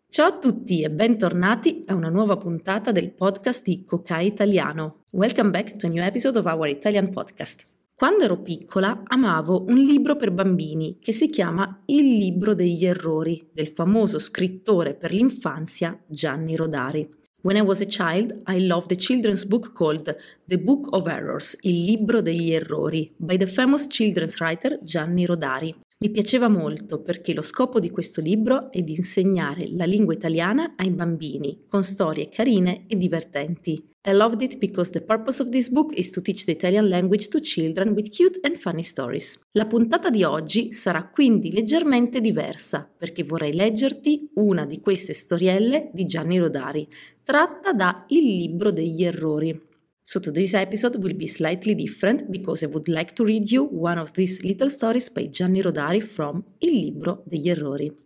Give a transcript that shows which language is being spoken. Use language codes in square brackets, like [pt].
[it] Ciao a tutti e bentornati a una nuova puntata del podcast di Coca Italiano. [en] Welcome back to a new episode of our Italian podcast. [it] Quando ero piccola amavo un libro per bambini che si chiama Il libro degli errori del famoso scrittore per l'infanzia Gianni Rodari. [en] When I was a child, I loved a children's book called The Book of Errors, Il libro degli errori, by the famous children's writer Gianni Rodari. [it] Mi piaceva molto perché lo scopo di questo libro è di insegnare la lingua italiana ai bambini con storie carine e divertenti. [en] I loved it because the purpose of this book is to teach the Italian language to children with cute and funny stories. [it] La puntata di oggi sarà quindi leggermente diversa perché vorrei leggerti una di queste storielle di Gianni Rodari, tratta da Il libro degli errori. [en] So today's episode will be slightly different because I would like to read you one of these little stories by Gianni Rodari from Il libro degli errori.